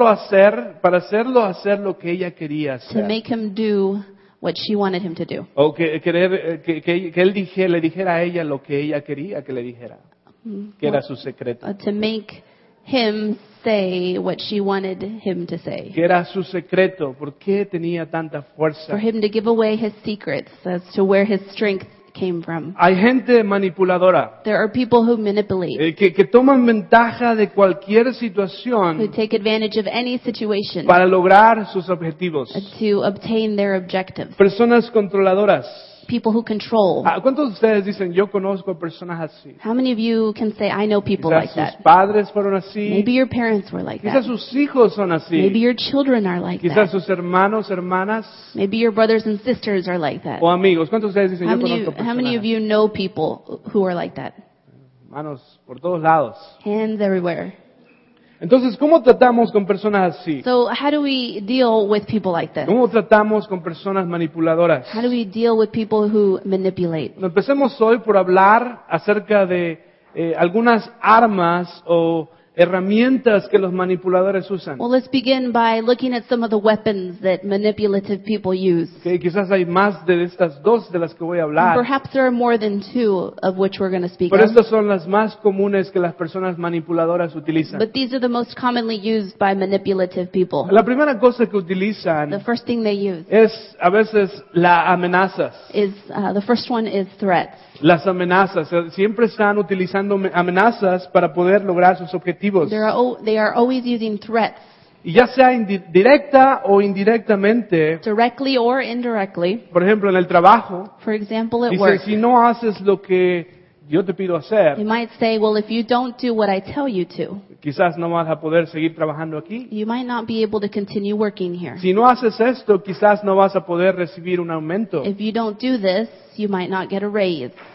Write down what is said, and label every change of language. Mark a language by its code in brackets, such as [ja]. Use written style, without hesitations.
[es] Para hacerlo hacer lo que ella quería hacer. [en] To make him do what she wanted him to do. [es] O que él le dijera a ella lo que ella quería que le dijera. Que era su secreto. [en] To make him say what she wanted him to say. [es] Que era su secreto. ¿Por qué tenía tanta fuerza? [en] For him to give away his secrets as to where his strength came from. [es] Hay gente manipuladora. [en] There are people who manipulate. [es] Que toman ventaja de cualquier situación. [en] Who take advantage of any situation. [es] Para lograr sus objetivos. [en] To obtain their objectives. [es] Personas controladoras. [en] People who control. [es] ¿Cuántos de ustedes dicen yo conozco personas así? [en] How many of you can say I know people [es] quizás [en] like that? [es] Sus padres fueron así. [en] Maybe your parents were like [es] quizás Quizás sus hijos son así. [en] Maybe your children are like [es] quizás [en] that. [es] Quizás sus hermanos, hermanas. [en] Maybe your brothers and sisters are like that. [es] O amigos. ¿Cuántos de ustedes dicen [en] how [es] yo conozco personas? [en] How many of you know people who are like that? [es] Manos por todos lados. [en] Hands everywhere. [es] Entonces, ¿cómo tratamos con personas así? [en] So, how do we deal with people like this? [es] ¿Cómo tratamos con personas manipuladoras? [en] How do we deal with people who manipulate? [es] Empecemos hoy por hablar acerca de algunas armas o herramientas que los manipuladores usan. [en] Well, let's begin by looking at some of the weapons that manipulative people use. [es] Okay, quizás hay más de estas dos de las que voy a hablar. [en] Perhaps there are more than two of which we're going to speak. [es] Pero estas son las más comunes que las personas manipuladoras utilizan. [en] But these are the most commonly used by manipulative people. [es] La primera cosa que utilizan. [en] The first thing they use. [es] Es a veces las amenazas. [en] Is the first one is threats. [es] Las amenazas. Siempre están utilizando amenazas para poder lograr sus objetivos. [en] They are always using threats. [es] Y ya sea directa o indirectamente. [en] Directly or indirectly. [es] Por ejemplo, en el trabajo. [en] For example, at [es] dice, [en] work. [es] Dice, si no haces lo que yo te pido hacer. [en] You might say, well, if you don't do what I tell you to. [es] Quizás no vas a poder seguir trabajando aquí. [en] You might not be able to continue working here. [es] Si no haces esto, quizás no vas a poder recibir un aumento. [en] If you don't do this, you might not get a raise.